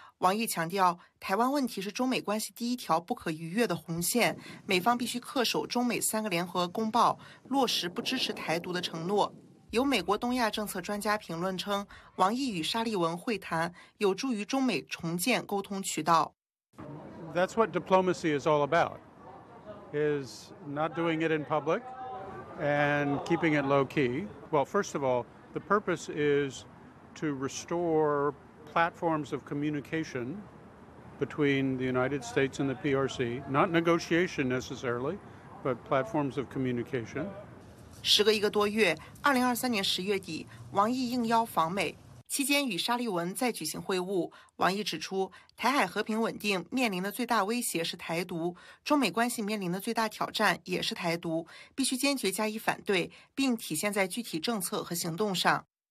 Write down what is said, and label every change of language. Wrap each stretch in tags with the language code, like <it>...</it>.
<zh>王毅强调，台湾问题是中美关系第一条不可逾越的红线，美方必须恪守中美三个联合公报，落实不支持台独的承诺。有美国东亚政策专家评论称，王毅与沙利文会谈有助于中美重建沟通渠道。</zh> <en>That's what diplomacy is all about, is not doing it in public and keeping it low key. Well, first of all, the purpose is to restore platforms of communication between the United States and the PRC, not negotiation necessarily, but platforms of communication.</en> <zh>时隔一个多月，2023年10月底，王毅应邀访美，期间与沙利文再举行会晤。王毅指出，台海和平稳定面临的最大威胁是台独，中美关系面临的最大挑战也是台独，必须坚决加以反对，并体现在具体政策和行动上。</zh>